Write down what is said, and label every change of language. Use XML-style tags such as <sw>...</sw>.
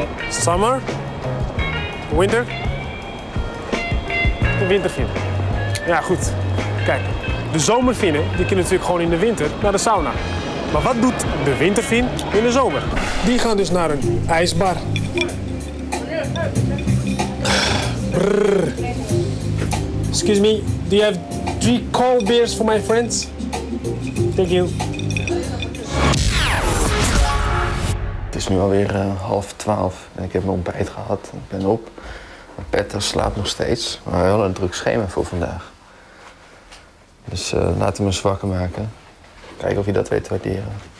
<en>Summer. Winter.</en> <nl>Wintervin. Ja, goed. Kijk, de zomervinnen die kunnen natuurlijk gewoon in de winter naar de sauna. Maar wat doet de wintervin in de zomer? Die gaan dus naar een ijsbar. Brrr.</nl> <en>Excuse me, do you have 3 cold beers for my friends? Thank you.</en> <nl>Het is nu alweer 11:30 en ik heb mijn ontbijt gehad. Ik ben op. Petter slaapt nog steeds. Maar wel een druk schema voor vandaag. Dus laat hem eens wakker maken. Kijken of je dat weet te waarderen.</nl>